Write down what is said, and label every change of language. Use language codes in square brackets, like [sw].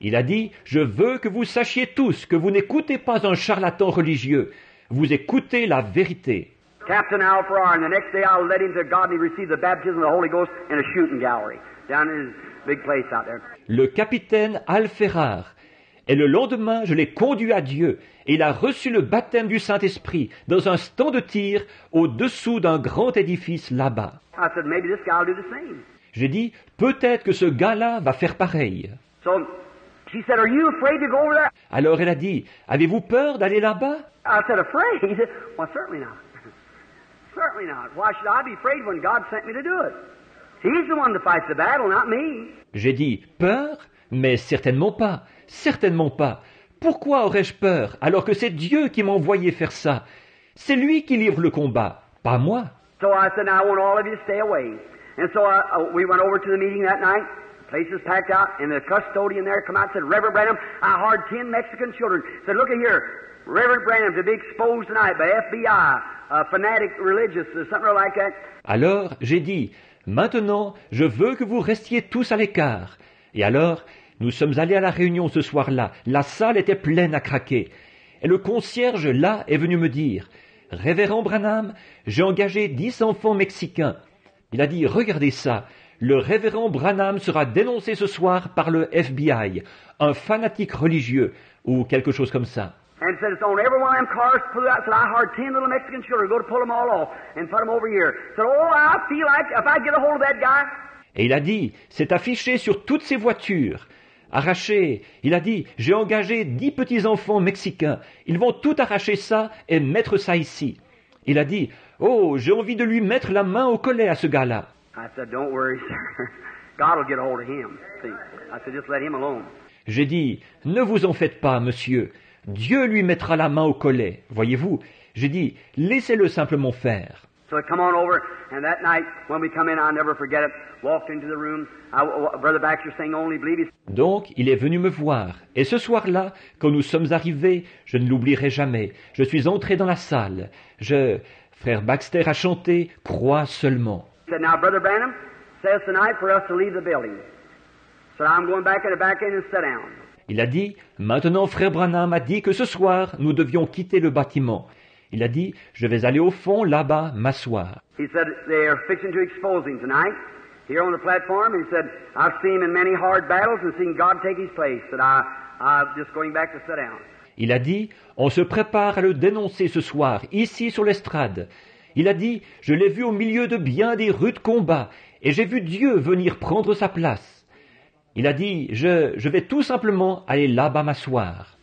[fr] Il a dit, je veux que vous sachiez tous que vous n'écoutez pas un charlatan religieux. Vous écoutez la vérité. [en] Captain Al Farrar, and the next day I'll let him to God and he received the baptism of the Holy Ghost in a shooting gallery. Down in his big place out there. [fr] Le capitaine Al Farrar. Et le lendemain, je l'ai conduit à Dieu. Et il a reçu le baptême du Saint-Esprit dans un stand de tir au-dessous d'un grand édifice là-bas. [en] I said, maybe this guy will do the same. [fr] J'ai dit, peut-être que ce gars-là va faire pareil. [en] So, she said, are you afraid to go over there? [fr] Alors elle a dit, avez-vous peur d'aller là-bas? [en] I said, afraid? Well, certainly not. Certainly not. Why should I be afraid when God sent me to do it? He's the one that fights the battle, not me. [fr] J'ai dit, peur? Mais certainement pas. Certainement pas. Pourquoi aurais-je peur alors que c'est Dieu qui m'a envoyé faire ça? C'est lui qui livre le combat, pas moi. [en] So I said, I want all of you to stay away. And so we went over to the meeting that night. Places packed out, and the custodian there come out and said, Reverend Branham, I hired 10 Mexican children. He said, look at here, Reverend Branham, to be exposed tonight by FBI, a fanatic religious, or something like that. [fr] Alors, j'ai dit, maintenant, je veux que vous restiez tous à l'écart. Et alors, nous sommes allés à la réunion ce soir-là. La salle était pleine à craquer. Et le concierge, là, est venu me dire, Révérend Branham, j'ai engagé 10 enfants mexicains. Il a dit, regardez ça, le révérend Branham sera dénoncé ce soir par le FBI, un fanatique religieux, ou quelque chose comme ça. [en] And said, it's on every one of them cars pull out. Said, I hired 10 little Mexican children. Go to pull them all off and put them over here. Said, oh, I feel like if I get a hold of that guy. [fr] Et il a dit, c'est affiché sur toutes ces voitures. Arraché. Il a dit, j'ai engagé 10 petits enfants mexicains. Ils vont tout arracher ça et mettre ça ici. Il a dit, oh, j'ai envie de lui mettre la main au collet à ce gars-là. [en] I said, don't worry, sir. God will get a hold of him. See? I said, just let him alone. [fr] J'ai dit, ne vous en faites pas, monsieur. Dieu lui mettra la main au collet, voyez-vous. J'ai dit, laissez-le simplement faire. [en] So come on over, and that night, when we come in, I'll never forget it, walked into the room, Brother Baxter saying only believe. [fr] Donc, il est venu me voir, et ce soir-là, quand nous sommes arrivés, je ne l'oublierai jamais, je suis entré dans la salle. Frère Baxter a chanté, crois seulement. [en] He said, now Brother Branham says tonight for us to leave the building. So I'm going back in the back end and sit down. [fr] Il a dit, maintenant Frère Branham a dit que ce soir, nous devions quitter le bâtiment. Il a dit, je vais aller au fond, là-bas, m'asseoir. [en] He said, they are fixing to expose him tonight, here on the platform. He said, I've seen him in many hard battles and seen God take his place. And I'm just going back to sit down. [fr] Il a dit, on se prépare à le dénoncer ce soir, ici sur l'estrade. Il a dit, je l'ai vu au milieu de bien des rudes combats et j'ai vu Dieu venir prendre sa place. Il a dit, je vais tout simplement aller là-bas m'asseoir.